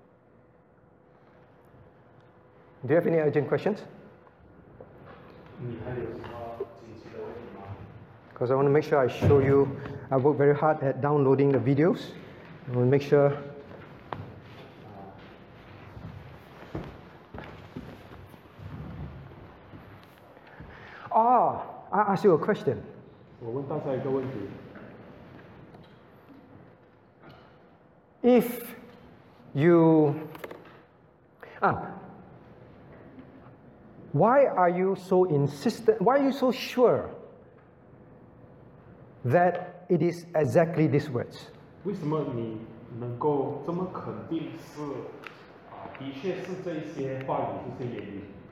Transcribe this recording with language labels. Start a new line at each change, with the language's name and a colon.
Chinese: 是关乎这点，并不是说只是去改变你所要改变的。Do
English: you have any urgent questions?
Chinese: 你还有什么紧急的问题吗？
English: Because I want to make sure I show you, I work very hard at downloading the videos. I want to make sure. Ah. I ask you a question.
Chinese: 我问大家一个问题。
English: If you why are you so insistent? Why are you so sure that it is exactly these words?
Chinese: 为什么你能够这么肯定是 的确是这些话语这些言语？